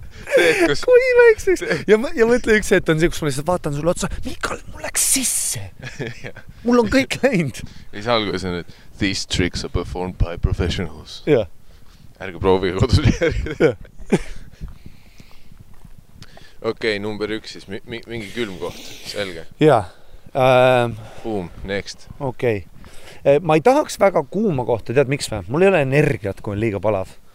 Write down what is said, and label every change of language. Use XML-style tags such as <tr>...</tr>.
<et>Kui väikseks? Ja mõtle üks, et on see, kus ma lihtsalt vaatan sulle otsa. Mikael, mul läks sisse. Mul on kõik läinud. Ei saa algus, et</et> <en>these tricks are performed by professionals.</en> <et>Jah. Ärge proovige kodus järgida. Okei, number üks siis. Mingi külm koht. Selge. Jah.</et> <en>Boom, next.</en> <et>Okei. Okay. Ma ei tahaks väga kuuma kohta. Tead, miks vähem? Mul ei ole energiat, kui on liiga palav.</et>